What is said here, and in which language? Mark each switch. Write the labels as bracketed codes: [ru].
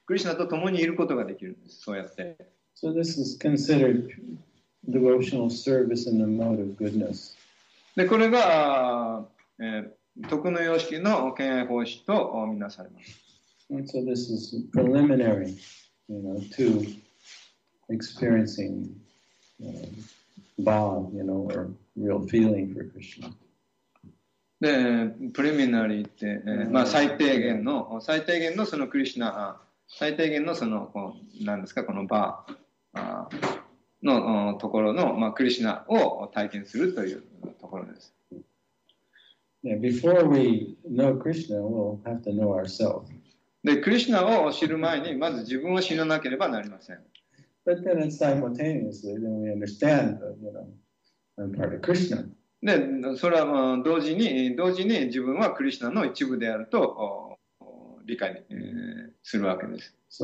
[ja] クリシナと共にいることができるんです、そうやって。 [en] So this is considered devotional service in the mode of goodness. [ja] で、これが、徳の様式の敬愛奉仕とみなされます。 [en] And so this is preliminary, you know, to experiencing, Bob, you know, or real feeling for Krishna. [ja] で、プレミナリーって、まあ最低限のそのクリシナ、最低限のそのこう何ですかこのバーのところのまあクリシナを体験するというところです。 [en] Yeah, before we know Krishna, we'll have to know ourselves. [ja] で、クリシナを知る前にまず自分を知らなければなりません。 [en] But then it's simultaneously, then we understand that, you know, I'm part of Krishna. [ja] で、それは同時に自分はクリシナの一部であると理解するわけです。